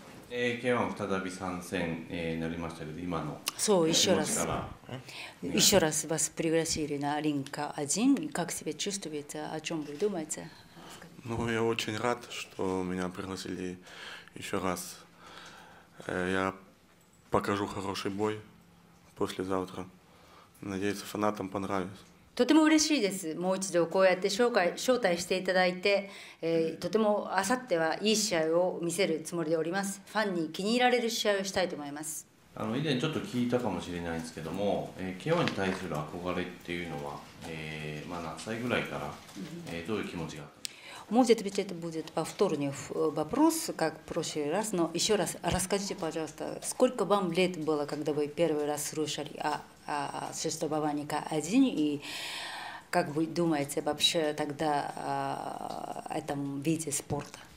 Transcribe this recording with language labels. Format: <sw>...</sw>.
<ja>K-1 再び参戦になりましたけど、今の</ja> <ru>そう、еще раз еще раз вас пригласили на Ринка один. Как себя чувствуете? О чем вы думаете? Ну, я очень рад, что меня пригласили еще раз. Я покажу хороший бой послезавтра. Надеюсь, фанатам понравится.</ru> <ja>とても嬉しいです。もう一度こうやって招待していただいて、とてもあさってはいい試合を見せるつもりでおります。ファンに気に入られる試合をしたいと思います。あの以前ちょっと聞いたかもしれないんですけども、K-1 に対する憧れっていうのは、まあ、何歳ぐらいから、どういう気持ちがあったのか。</ja> <ru>Может быть, это будет повторный вопрос, как в прошлый раз, но еще раз расскажите, пожалуйста, сколько вам лет было, когда вы первый раз слушали о существовании К-1, и как вы думаете вообще тогда о этом виде спорта?</ru>